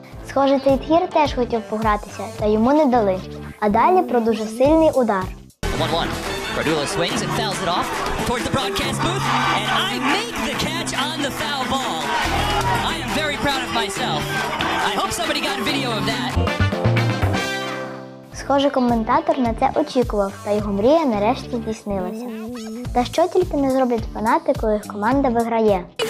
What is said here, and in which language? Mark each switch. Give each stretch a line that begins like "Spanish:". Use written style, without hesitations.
Ukrainian: Схоже, цей тхір теж хотів погратися, та йому не дали. А далі про дуже сильний удар.
English: 1-1. Радуло swings and fouls it off towards the broadcast booth, and I make the catch on the foul ball. I am very proud of myself. I hope somebody got a video of that.
Ukrainian: Схоже, коментатор на це очікував, та його мрія нарешті здійснилася. Та що тільки не зроблять фанати, коли їх команда виграє.